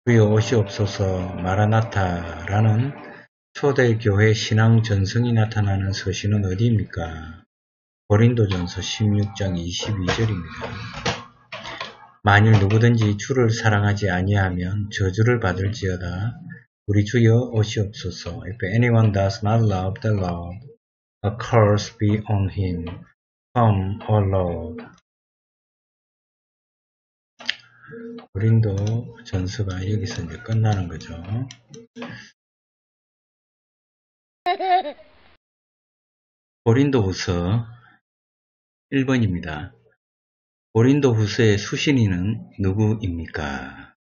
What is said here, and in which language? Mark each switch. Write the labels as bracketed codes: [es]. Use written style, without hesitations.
[ko] 주여 오시옵소서 마라나타라는 초대교회 신앙 전승이 나타나는 서신은 어디입니까? 고린도전서 16장 22절입니다. 만일 누구든지 주를 사랑하지 아니하면 저주를 받을지어다. 우리 주여 오시옵소서. [en] If anyone does not love the Lord, a curse be on him. Come, O Lord. [ko] 고린도 전서가 여기서 이제 끝나는 거죠. 고린도 후서 1번입니다. 고린도 후서의 수신인은 누구입니까?